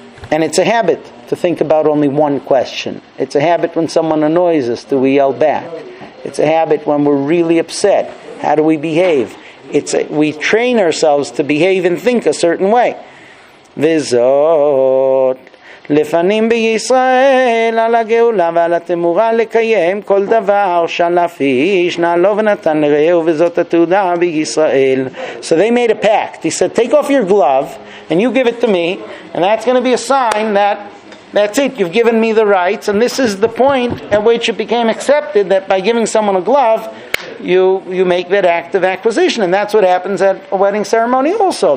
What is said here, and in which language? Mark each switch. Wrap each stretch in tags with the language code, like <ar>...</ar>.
<en>And it's a habit to think about only one question. It's a habit when someone annoys us, do we yell back? It's a habit when we're really upset, how do we behave? We train ourselves to behave and think a certain way.</en> <he>Vizot. לפנים בישראל על הגאולה ועל התמורה לקיים כל דבר שלף איש נעלו ונתן לראו וזאת התעודה בישראל.</he> <en>So they made a pact. He said, take off your glove and you give it to me, and that's going to be a sign that that's it, you've given me the rights, and this is the point at which it became accepted that by giving someone a glove, you make that act of acquisition. And that's what happens at a wedding ceremony also.</en>